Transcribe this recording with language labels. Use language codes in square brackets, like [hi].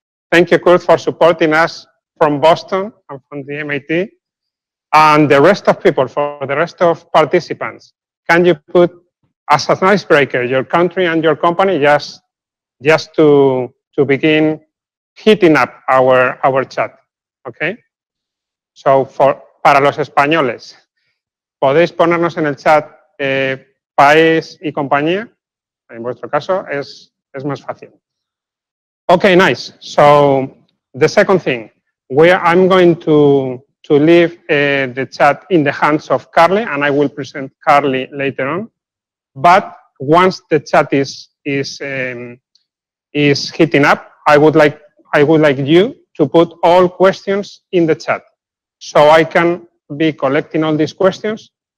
[en] Thank you, Kurt, for supporting us from Boston and from the MIT. And the rest of people, for the rest of participants, can you put as an icebreaker your country and your company just to begin heating up our chat, okay? [es] So para los españoles, podéis ponernos en el chat país y compañía. En vuestro caso es más fácil. [en] Okay, nice. So the second thing, I'm going to leave the chat in the hands of Carly, and I will present Carly later on. But once the chat is heating up, I would like you to put all questions in the chat, so I can be collecting all these questions.